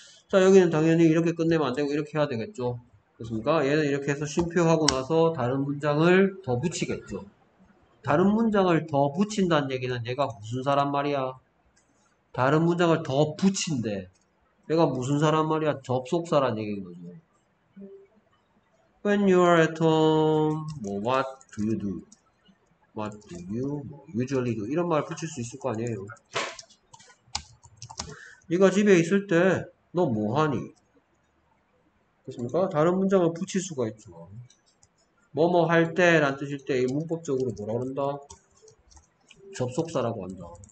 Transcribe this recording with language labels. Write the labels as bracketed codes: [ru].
[ko] 자, 여기는 당연히 이렇게 끝내면 안 되고 이렇게 해야 되겠죠. 그렇습니까? 얘는 이렇게 해서 쉼표하고 나서 다른 문장을 더 붙이겠죠. 다른 문장을 더 붙인다는 얘기는 얘가 무슨 사람 말이야? 다른 문장을 더 붙인대. 얘가 무슨 사람 말이야? 접속사란 얘기인 거죠. [en] When you are at home, well, what do you do? What do you usually do? [ko] 이런 말 붙일 수 있을 거 아니에요. 네가 집에 있을 때 너 뭐 하니? 그렇습니까? 다른 문장을 붙일 수가 있죠. 뭐뭐 할 때란 뜻일 때 문법적으로 뭐라 그런다? 접속사라고 한다.